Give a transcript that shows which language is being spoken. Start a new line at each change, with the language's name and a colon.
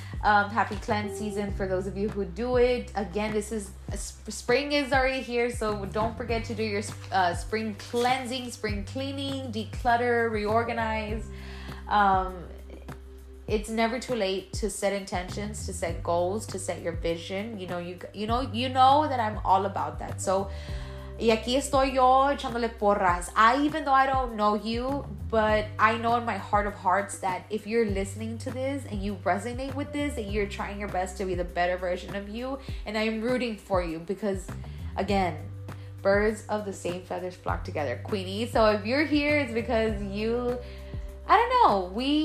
English: Happy cleanse season for those of you who do it. Again, this is spring is already here, so don't forget to do your spring cleansing, spring cleaning, declutter, reorganize. It's never too late to set intentions, to set goals, to set your vision. You know that I'm all about that.
Spanish: So, y aquí estoy yo echándole porras.
English: Even though I don't know you, but I know in my heart of hearts that if you're listening to this and you resonate with this, that you're trying your best to be the better version of you. And I'm rooting for you because, again, birds of the same feathers flock together. Queenie, so if you're here, it's because you... I don't know.